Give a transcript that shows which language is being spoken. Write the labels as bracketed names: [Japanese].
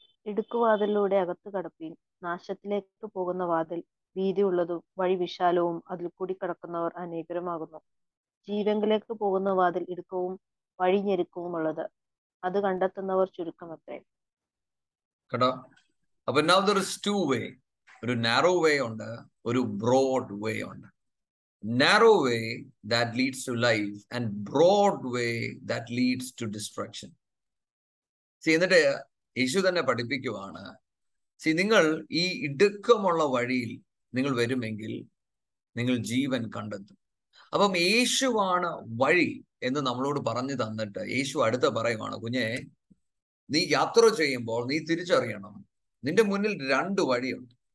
[Malayalam] ഇടുക്കുവാതിലൂടെ അകത്തു കടപ്പീൻ, നാശത്തിലേക്ക് പോകുന്ന വാതിൽ വീതിയുള്ളതും വഴി വിശാലവും, അതിൽ കൂടി കടക്കുന്നവർ അനേകരമാകുന്നു. ജീവങ്കിലേക്ക് പോകുന്ന വാതിൽ ഇടുക്കവും വഴി ഞെരുക്കവും ഉള്ളത്, അത് കണ്ടെത്തുന്നവർ ചുരുക്കം അത്രേ. അപ്പൊ [English] now there is two way, [Malayalam] ഒരു narrow way ഉണ്ട്, ഒരു broad way ഉണ്ട്. [English] Narrow way that leads to life and broad way that leads to destruction. [Malayalam] C, എന്നിട്ട് യേശു തന്നെ പഠിപ്പിക്കുവാണ്, സി നിങ്ങൾ ഈ ഇടുക്കമുള്ള വഴിയിൽ നിങ്ങൾ വരുമെങ്കിൽ നിങ്ങൾ ജീവൻ കണ്ടെത്തും. അപ്പം യേശുവാണ് വഴി എന്ന് നമ്മളോട് പറഞ്ഞു തന്നിട്ട് യേശു അടുത്ത പറയുവാണ്, കുഞ്ഞെ നീ യാത്ര ചെയ്യുമ്പോൾ നീ തിരിച്ചറിയണം നിന്റെ മുന്നിൽ രണ്ട് വഴിയുണ്ട്.